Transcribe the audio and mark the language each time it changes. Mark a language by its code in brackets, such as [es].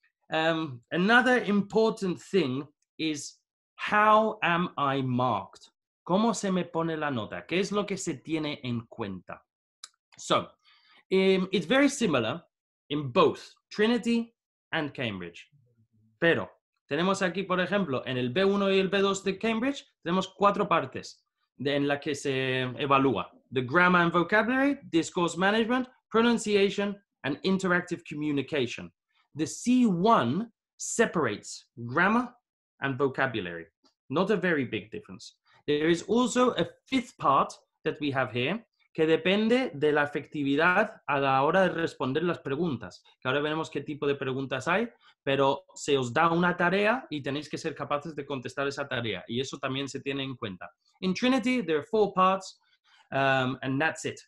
[en] Another important thing is how am I marked? [es] ¿Cómo se me pone la nota? ¿Qué es lo que se tiene en cuenta? [en] So, it's very similar in both Trinity and Cambridge. [es] Pero tenemos aquí, por ejemplo, en el B1 y el B2 de Cambridge, tenemos cuatro partes en las que se evalúa. [en] The grammar and vocabulary, discourse management, pronunciation, and interactive communication. The C1 separates grammar and vocabulary. Not a very big difference. There is also a fifth part that we have here [es] que depende de la efectividad a la hora de responder las preguntas. Ahora veremos qué tipo de preguntas hay, pero se os da una tarea y tenéis que ser capaces de contestar esa tarea. Y eso también se tiene en cuenta. [en] In Trinity, there are four parts, and that's it.